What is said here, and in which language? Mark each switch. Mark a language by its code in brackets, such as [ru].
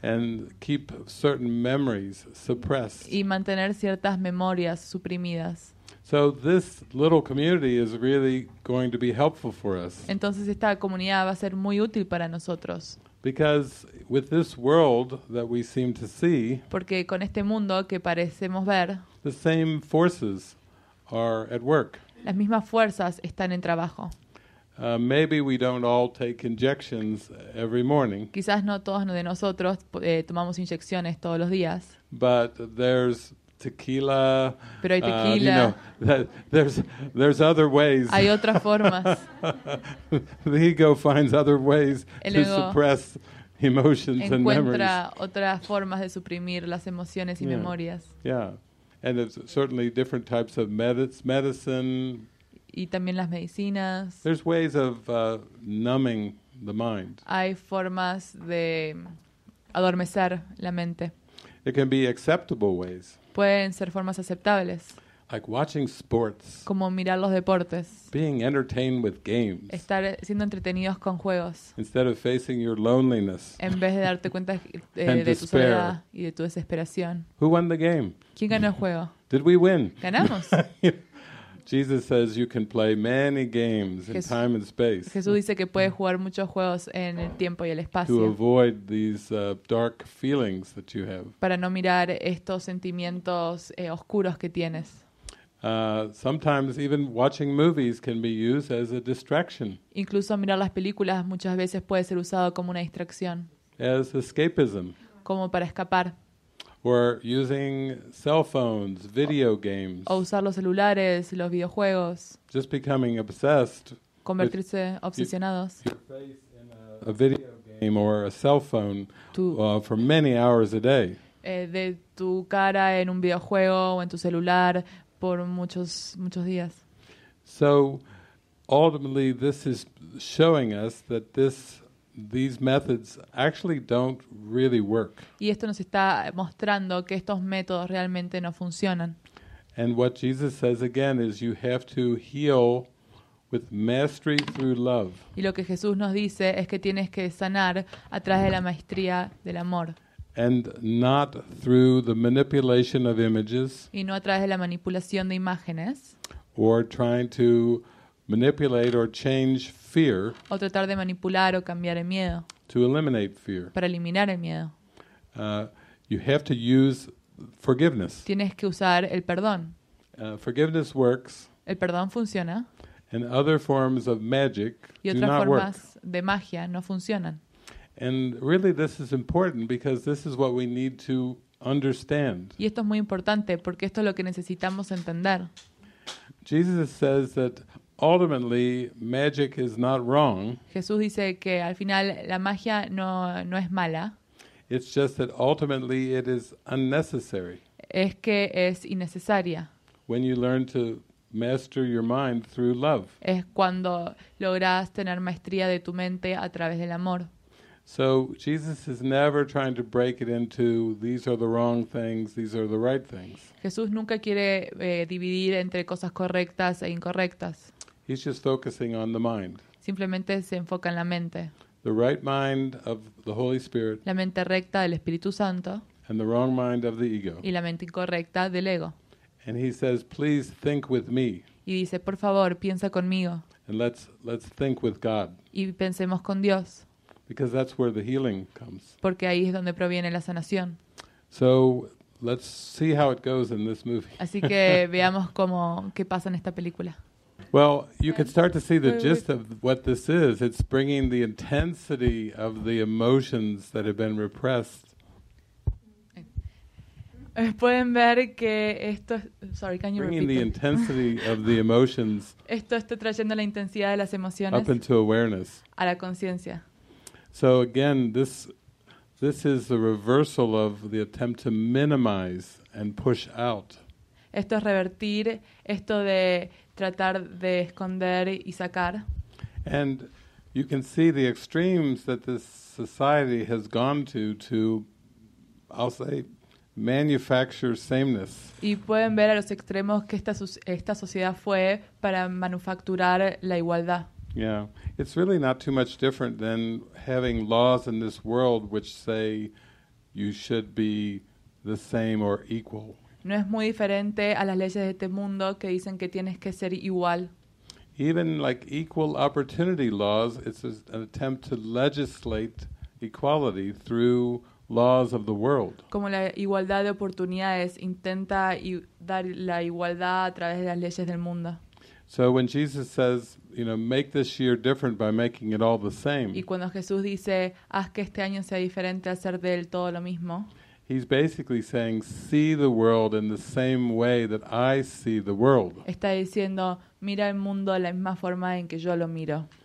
[en] And keep certain memories suppressed. [es] Y mantener ciertas memorias suprimidas. [en] So this little community is really going to be helpful for us. [es] Entonces esta comunidad va a ser muy útil para nosotros. [en] Because with this world that we seem to see, [es] porque con este mundo que parecemos ver, [en] the same forces are at work. [es] Las mismas fuerzas están en trabajo. [en] Maybe we don't all take injections every morning. [es] Quizás no todos de nosotros tomamos inyecciones todos los días. [en] But there's tequila. [es] Pero hay tequila. [en] There's other ways. [es] Hay otras formas. [en] The ego finds other ways to suppress emotions and memories. [es] Encuentra otras formas de suprimir las emociones y memorias. [en] Yeah, and it's certainly different types of medicine. [es] Y también las medicinas. [en] There's ways of numbing the mind. [es] Hay formas de adormecer la mente. [en] It can be acceptable ways. [es] Pueden ser formas aceptables. [en] Like watching sports. [es] Como mirar los deportes. [en] Being entertained with games. [es] Estar siendo entretenidos con juegos. [en] Instead of facing your loneliness. [es] En vez de darte cuenta de tu soledad y de tu desesperación. [en] Who won the game? [es] ¿Quién ganó el juego? [en] Did we win? [es] Ganamos. [en] Jesus says you can play many games in time and space. [es] Jesús dice que puedes jugar muchos juegos en el tiempo y el espacio. [en] To avoid these dark feelings that you have. [es] Para no mirar estos sentimientos oscuros que tienes. [en] Sometimes even watching movies can be used as a distraction. [es] Incluso mirar las películas muchas veces puede ser usado como una distracción. [en] As escapism. [es] Como para escapar. [en] Or using cell phones, video games. [es] O usar los celulares, los videojuegos. [en] Just becoming obsessed. [es] Convertirse obsesionados. [en] A video game or a cell phone for many hours a day. [es] De tu cara en un videojuego o en tu celular por muchos días. [en] So ultimately this is showing us that these methods actually don't really work. [es] Y esto nos está mostrando que estos métodos realmente no funcionan. [en] And what Jesus says again is you have to heal with mastery through love. [es] Y lo que Jesús nos dice es que tienes que sanar a través de la maestría del amor. [en] and not through the manipulation of images, [es] y no a través de la manipulación de imágenes, [en] or trying to manipulate or change fear, [es] o tratar de manipular o cambiar el miedo, [en] to eliminate fear, [es] para eliminar el miedo. [en] You have to use forgiveness. [es] Tienes que usar el perdón. [en] Forgiveness works. [es] El perdón funciona. [en] And other forms of magic do not work. [es] Y otras formas de magia no funcionan. [en] And really this is important because this is what we need to understand. [es] Y esto es muy importante porque esto es lo que necesitamos entender. [en] Jesus says that ultimately magic is not wrong. [es] Jesús dice que al final la magia no es mala. [en] It's just that ultimately it is unnecessary. [es] Es que es innecesaria. [en] When you learn to master your mind through love. [es] Es cuando logras tener maestría de tu mente a través del amor. [en] So Jesus is never trying to break it into these are the wrong things, these are the right things. [es] Jesús nunca quiere dividir entre cosas correctas e incorrectas. [en] He's just focusing on the mind. [es] Simplemente se enfoca en la mente. [en] The right mind of the Holy Spirit. [es] La mente recta del Espíritu Santo. [en] And the wrong mind of the ego. [es] Y la mente incorrecta del ego. [en] And he says, "Please think with me." [es] Y dice, por favor, piensa conmigo. [en] And let's think with God. [es] Y pensemos con Dios. [en] Because that's where the healing comes. [es] Porque ahí es donde proviene la sanación. [en] So let's see how it goes in this movie. [es] Así que veamos cómo qué pasa en esta película. [en] Well, you can start to see the gist of what this is. It's bringing the intensity of the emotions that have been repressed. [es] Pueden ver que esto es, [en] bringing the intensity of the emotions. [es] Esto está trayendo la intensidad de las emociones. [en] Up into awareness. [es] A la conciencia. [en] So again, this is the reversal of the attempt to minimize and push out. [es] Esto es revertir esto de tratar de esconder y sacar. [en] And you can see the extremes that this society has gone to I'll say manufacture sameness. [es] Y pueden ver a los extremos que esta sociedad fue para manufacturar la igualdad. [en] Yeah, it's really not too much different than having laws in this world which say you should be the same or equal. [es] No es muy diferente a las leyes de este mundo que dicen que tienes que ser igual. [en] Even like equal opportunity laws, it's an attempt to legislate equality through laws of the world. [es] Como la igualdad de oportunidades intenta dar la igualdad a través de las leyes del mundo. [en] So when Jesus says, you know, make this year different by making it all the same. [es] Y cuando Jesús dice, haz que este año sea diferente al ser de él todo lo mismo. [en] He's basically saying, see the world in the same way that I see the world. [es] Está diciendo, mira el mundo de la misma forma en que yo lo miro.